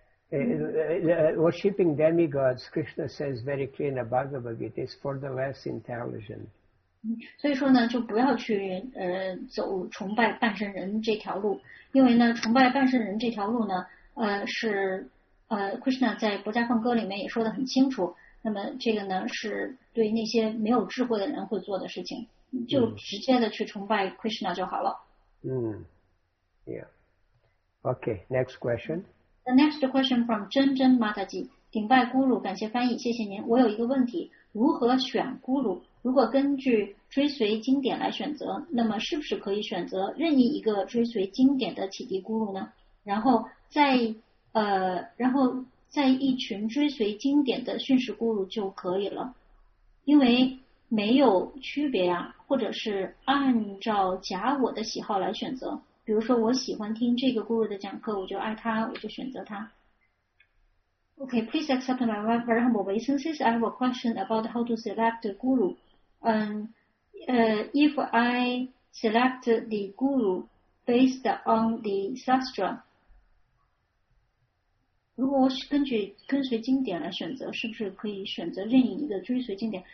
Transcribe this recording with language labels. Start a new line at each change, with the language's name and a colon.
English: Worshipping demigods, Krishna says very clear in the Bhagavad Gita, is for the less intelligent.
Chinese: 所以说呢，就不要去走崇拜半身人这条路，因为呢，崇拜半身人这条路呢，Krishna 在《薄伽梵歌》里面也说得很清楚。那么这个呢，是对那些没有智慧的人会做的事情。就直接的去崇拜 Krishna 就好了。
English: Yeah. Okay, next question. The next question from
Chinese: 真真 Mataji. 顶拜 Guru, 感谢翻译，谢谢您。我有一个问题，如何选 Guru? 如果根据追随经典来选择，那么是不是可以选择任意一个追随经典的启迪 Guru 呢？然后在一群追随经典的训示 Guru 就可以了，因为没有区别啊，或者是按照假我的喜好来选择。比如说，我喜欢听这个 guru 的讲课，我就爱他，我就选择他。
English: Okay, please accept my very humble obeisances. I have a question about how to select the guru. If I select the guru based on the sastra,
Chinese: 如果我是根据跟随经典来选择，是不是可以选择任意一个追随经典？